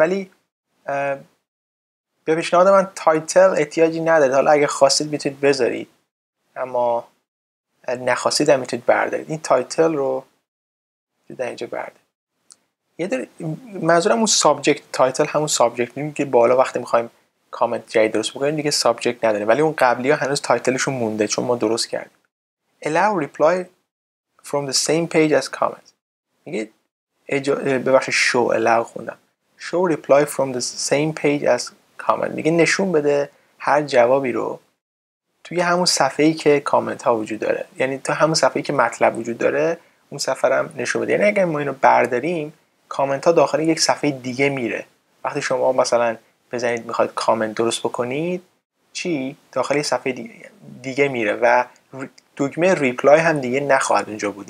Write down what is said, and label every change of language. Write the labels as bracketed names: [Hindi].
[Persian] ولی به پیشنهاد من تایتل احتیاجی ندارید، حالا اگه خواستید میتونید بذارید، اما نخواستید هم میتونید بردارید. این تایتل رو در اینجا بردارید. منظورم اون سابجکت، تایتل همون سابجکت نیم که بالا وقتی میخواییم کامنت جایی درست بکنیم دیگه سابجکت نداریم، ولی اون قبلی ها هنوز تایتلشون مونده چون ما درست کردیم. [English] Allow reply from the same page as comments. [Persian] ببخشید [English] show allow [Persian] خوندم. [English] Show reply from the same page as comment. [Persian] میگه نشون بده هر جوابی رو توی همون صفحه‌ای که کامنت ها وجود داره، یعنی تو همون صفحه‌ای که مطلب وجود داره اون صفحه هم نشون بده. یعنی اگر ما اینو برداریم کامنت ها داخل یک صفحه دیگه میره. وقتی شما مثلا بزنید میخواید کامنت درست بکنید چی؟ داخل یک صفحه دیگه میره و دکمه ریپلای هم دیگه نخواهد اونجا بود.